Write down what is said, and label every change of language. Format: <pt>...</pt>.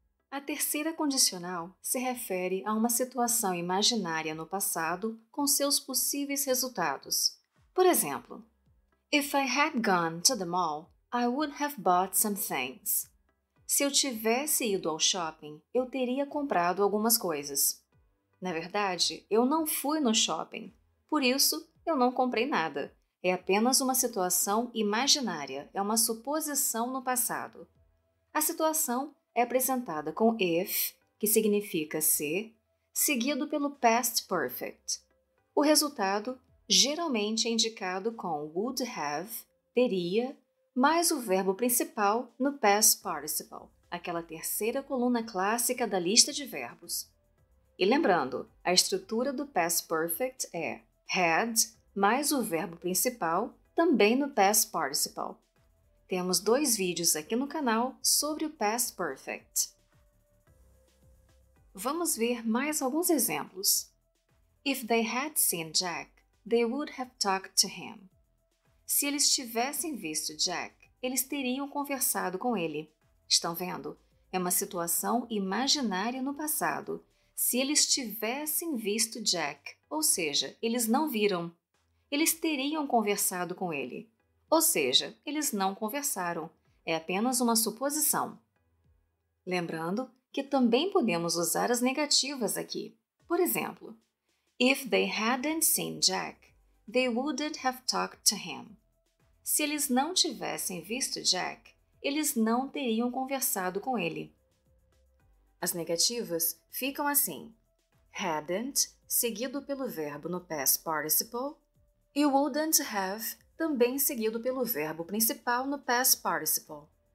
<pt>A terceira condicional se refere a uma situação imaginária no passado com seus possíveis resultados. Por exemplo,</pt> <en>if I had gone to the mall, I would have bought some things.</en> <pt>Se eu tivesse ido ao shopping, eu teria comprado algumas coisas. Na verdade, eu não fui no shopping, por isso, eu não comprei nada. É apenas uma situação imaginária, é uma suposição no passado. A situação é apresentada com if, que significa se, seguido pelo past perfect. O resultado geralmente é indicado com would have, teria, mais o verbo principal no past participle, aquela terceira coluna clássica da lista de verbos. E lembrando, a estrutura do past perfect é had mais o verbo principal, também no past participle. Temos dois vídeos aqui no canal sobre o past perfect. Vamos ver mais alguns exemplos.</pt> <en>If they had seen Jack, they would have talked to him.</en> <pt>Se eles tivessem visto Jack, eles teriam conversado com ele. Estão vendo? É uma situação imaginária no passado. Se eles tivessem visto Jack, ou seja, eles não viram, eles teriam conversado com ele. Ou seja, eles não conversaram. É apenas uma suposição. Lembrando que também podemos usar as negativas aqui. Por exemplo,</pt> <en>if they hadn't seen Jack, they wouldn't have talked to him.</en> <pt>Se eles não tivessem visto Jack, eles não teriam conversado com ele. As negativas ficam assim. Hadn't, seguido pelo verbo no past participle, e wouldn't have, também seguido pelo verbo principal no past participle.</pt>